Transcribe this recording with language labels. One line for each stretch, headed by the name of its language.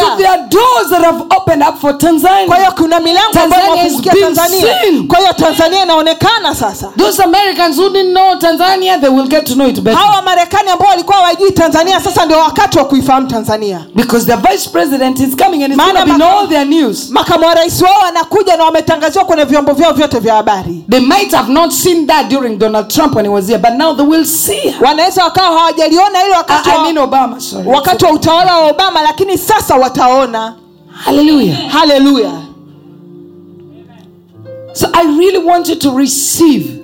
English: So there are doors that have opened up for Tanzania.
Swahili: Kwa hiyo kuna milango ambayo imefunguka Tanzania. Kwa hiyo Tanzania inaonekana sasa.
English: Those Americans who didn't know Tanzania, they will get to know it better.
Swahili: Hao Marekani ambao walikuwa hawajui Tanzania, sasa ndio wakati wa kuifahamu Tanzania.
English: Because the vice president is coming and is going to be all their news.
Swahili: Makamu wa rais wao anakuja na wametangazwa kwenye vyombo vyao vyote vya habari.
English: They might have not seen that during Donald Trump when he was here, but now they will see.
Swahili: Wanaweza wakawa hawajaliona ile wakati wa
English: Obama, sorry.
Swahili: Wakati wa utawala wa Obama, lakini sasa wataona. Hallelujah. Hallelujah.
English: So I really want you to receive.